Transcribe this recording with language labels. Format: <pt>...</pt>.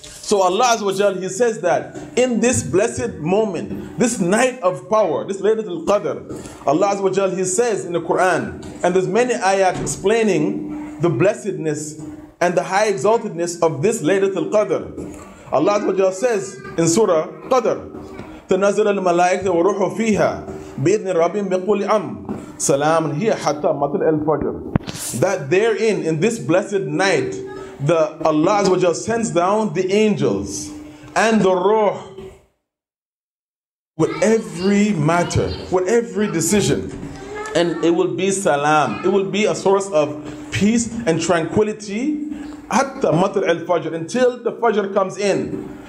<en>So Allah Azza wa Jal, He says that in this blessed moment, this night of power, this Laylatul Qadr, Allah Azza wa Jal, He says in the Quran, and there's many ayat explaining the blessedness and the high exaltedness of this Laylatul Qadr.</en> <ar>Allah Azza wa Jal says in Surah Qadr, تَنَزَلَ الْمَلَائِكَةَ وَرُوحُ فِيهَا بِإِذْنِ رَبِّهِمْ بِقُولِ أَمْرٍ سَلَامٌ هِيَ حَتَّى مَطْلَعِ الْفَجْرِ.</ar> <en>That therein, in this blessed night, the Allah Azza wa Jal sends down the angels and the ruh with every matter, with every decision, and it will be salam. It will be a source of peace and tranquility</en> <ar>hatta matl al-fajr,</ar> <en>until the fajr comes in.</en>